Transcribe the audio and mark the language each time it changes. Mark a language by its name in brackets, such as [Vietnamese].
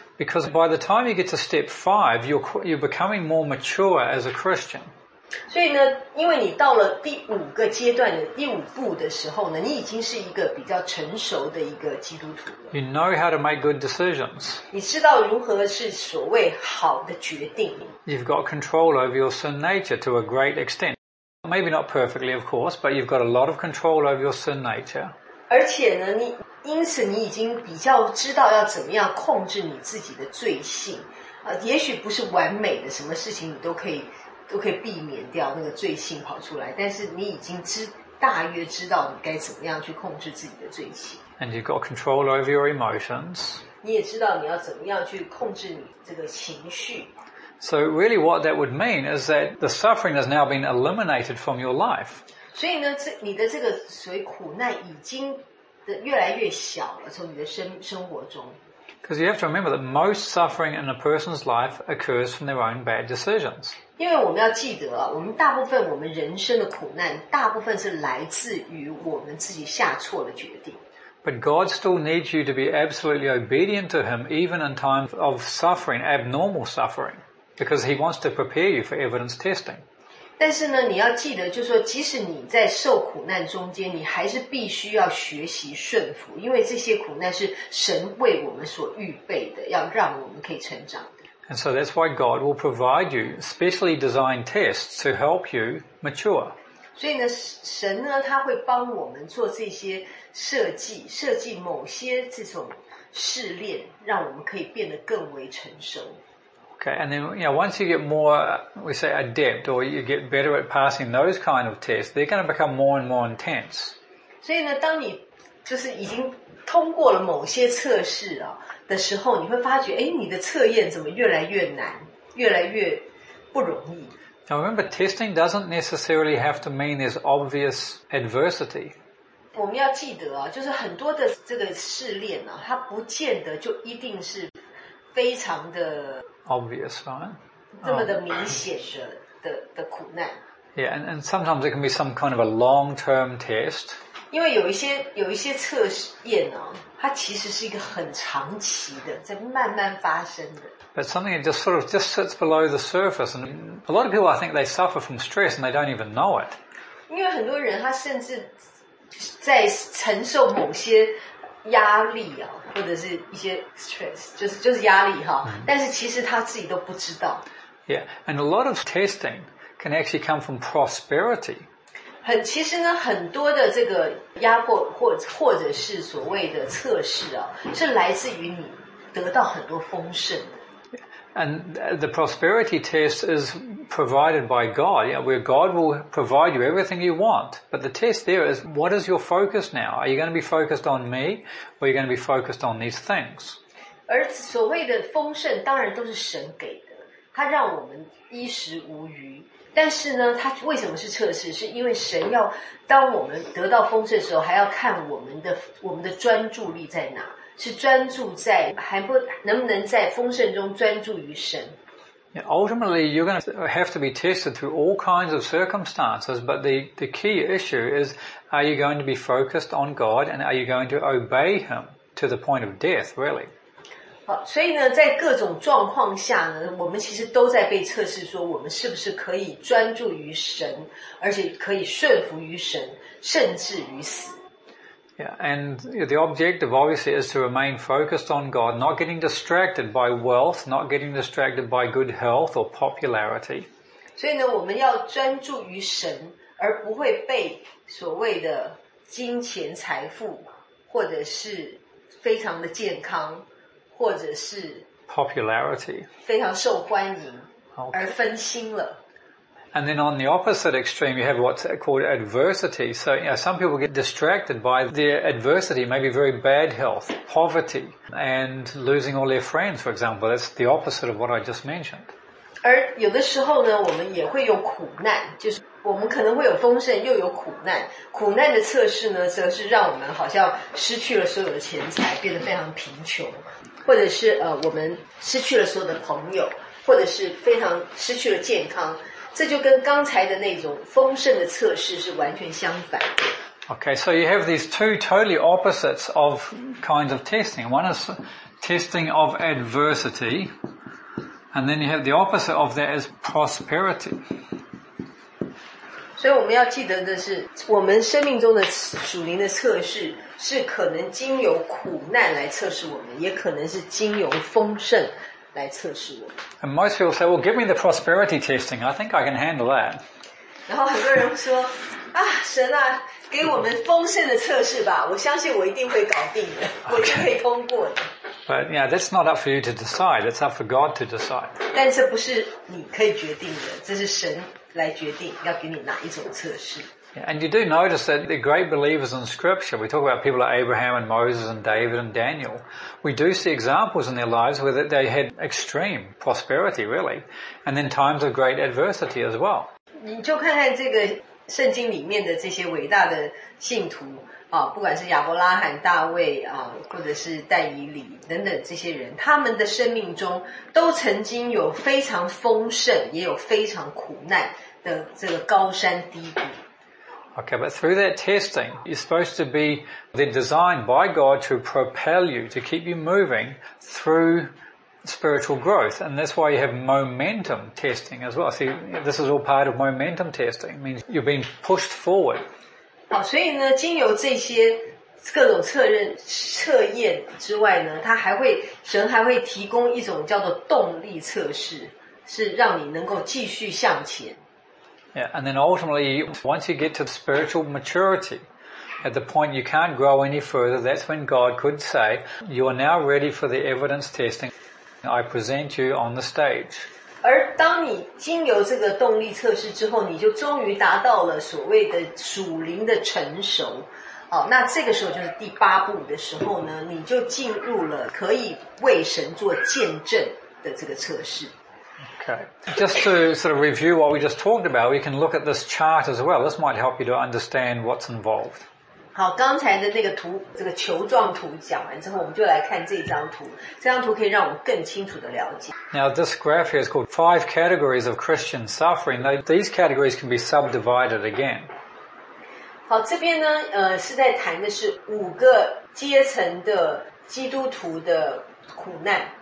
[English] Because by the time you get to step five, you're becoming more mature as a Christian. [Chinese] 所以呢，因为你到了第五个阶段的第五步的时候呢，你已经是一个比较成熟的一个基督徒了。 [English] You know how to make good decisions. [Chinese] 你知道如何是所谓好的决定。 [English] You've got control over your sin nature to a great extent. Maybe not perfectly, of course, but you've got a lot of control over your sin nature. [Chinese] 而且呢，你因此你已经比较知道要怎么样控制你自己的罪性。也许不是完美的，什么事情你都可以避免掉那个罪性跑出来，但是你已经大约知道你该怎么样去控制自己的罪性。 [English] And you've got control over your emotions. [Chinese] 你也知道你要怎么样去控制你这个情绪。 [English] So really what that would mean is that the suffering has now been eliminated from your life. [Chinese] 所以呢，你的这个所谓苦难已经越来越小了，从你的生活中。 [English] Because you have to remember that most suffering in a person's life occurs from their own bad decisions. [Chinese] 因为我们要记得，我们大部分我们人生的苦难，大部分是来自于我们自己下错了决定。 [English] But God still needs you to be absolutely obedient to Him, even in times of suffering, abnormal suffering, because He wants to prepare you for evidence testing. [Chinese] 但是呢，你要记得，就是说，即使你在受苦难中间，你还是必须要学习顺服，因为这些苦难是神为我们所预备的，要让我们可以成长。 [English] And so that's why God will provide you specially designed tests to help you mature. [Chinese] 所以呢，神呢，他会帮我们做这些设计某些这种试炼，让我们可以变得更为成熟。 [English] Okay, and then you know, once you get more, we say adept, or you get better at passing those kind of tests, they're going to become more and more intense. [Chinese] 所以呢，当你就是已经通过了某些测试啊。的时候你会发觉，哎，你的测验怎么越来越难，越来越不容易。 [English] Now remember, testing doesn't necessarily have to mean there's obvious adversity. [Chinese] 我们要记得啊，就是很多的这个试炼啊，它不见得就一定是非常的 [English] obvious, right? [Chinese] 这么的明显的苦难。 [English] Yeah, and sometimes it can be some kind of a long-term test. [Chinese] 因为有一些测验哦，它其实是一个很长期的，在慢慢发生的。 [English] But something that just sort of just sits below the surface, and a lot of people, I think, they suffer from stress and they don't even know it. [Chinese] 因为很多人他甚至在承受某些压力啊，或者是一些 stress, 就是压力哈，但是其实他自己都不知道。 [English] Yeah, and a lot of testing can actually come from prosperity. [Chinese] 其实呢，很多的这个压迫或者是所谓的测试啊，是来自于你得到很多丰盛的。 [English] And the prosperity test is provided by God, you know, where God will provide you everything you want. But the test there is, what is your focus now? Are you going to be focused on me, or are you going to be focused on these things? [Chinese] 而所谓的丰盛当然都是神给的，他让我们衣食无余。但是呢，它为什么是测试？是因为神要当我们得到丰盛的时候，还要看我们的专注力在哪？是专注在还不能不能在丰盛中专注于神 [English] yeah, ？Ultimately, you're going to have to be tested through all kinds of circumstances, but the key issue is, are you going to be focused on God and are you going to obey Him to the point of death, really? [Chinese] 好，所以呢，在各种状况下呢，我们其实都在被测试，说我们是不是可以专注于神，而且可以顺服于神，甚至于死。 [English] Yeah, and the objective obviously is to remain focused on God, not getting distracted by wealth, not getting distracted by good health or popularity. [Chinese] 所以呢，我们要专注于神，而不会被所谓的金钱财富，或者是非常的健康。或者是 [English] popularity [Chinese] 非常受欢迎而分心了。 [English] And then on the opposite extreme, you have what's called adversity. So, you know, some people get distracted by their adversity, maybe very bad health, poverty, and losing all their friends, for example. That's the opposite of what I just mentioned. [Chinese] 而有的时候呢，我们也会有苦难，就是我们可能会有丰盛，又有苦难。苦难的测试呢，则是让我们好像失去了所有的钱财，变得非常贫穷。或者是我们失去了所有的朋友，或者是非常失去了健康，这就跟刚才的那种丰盛的测试是完全相反的。 [English] Okay, so you have these two totally opposites of kinds of testing. One is testing of adversity, and then you have the opposite of that is prosperity. [Chinese] 所以我们要记得的是，我们生命中的属灵的测试。是可能经由苦难来测试我们，也可能是经由丰盛来测试我们。 [English] And most people say, "Well, give me the prosperity testing. I think I can handle that." [Chinese] 然后很多人说啊，神啊，给我们丰盛的测试吧，我相信我一定会搞定的，我一定会通过的。 [English] But yeah, that's not up for you to decide. It's up for God to decide. [Chinese] 但这不是你可以决定的，这是神来决定要给你哪一种测试。 [English] And you do notice that the great believers in Scripture, we talk about people like Abraham and Moses and David and Daniel, we do see examples in their lives where they had extreme prosperity, really, and then times of great adversity as well. [Chinese] 你就看看这个圣经里面的这些伟大的信徒啊，不管是亚伯拉罕、大卫啊，或者是但以理等等这些人，他们的生命中都曾经有非常丰盛，也有非常苦难的这个高山低谷。 [English] Okay, but through that testing, it's supposed to be then designed by God to propel you, to keep you moving through spiritual growth. And that's why you have momentum testing as well. See, this is all part of momentum testing. It means you're being pushed forward. [Chinese] 好，所以呢，经由这些各种测验之外呢，它还会，神还会提供一种叫做动力测试，是让你能够继续向前。 [English] Yeah, and then ultimately, once you get to spiritual maturity, at the point you can't grow any further, that's when God could say, you are now ready for the evidence testing. I present you on the stage. [Chinese] 而当你经由这个动力测试之后，你就终于达到了所谓的属灵的成熟。哦，那这个时候就是第八步的时候呢，你就进入了可以为神做见证的这个测试。 [English] Okay. Just to sort of review what we just talked about, we can look at this chart as well. This might help you to understand what's involved. [Chinese] 好，刚才的那个图，这个球状图讲完之后，我们就来看这张图。这张图可以让我们更清楚的了解。 [English] Now, this graph here is called five categories of Christian suffering. Now, these categories can be subdivided again. [Chinese] 好，这边呢，是在谈的是五个阶层的基督徒的苦难。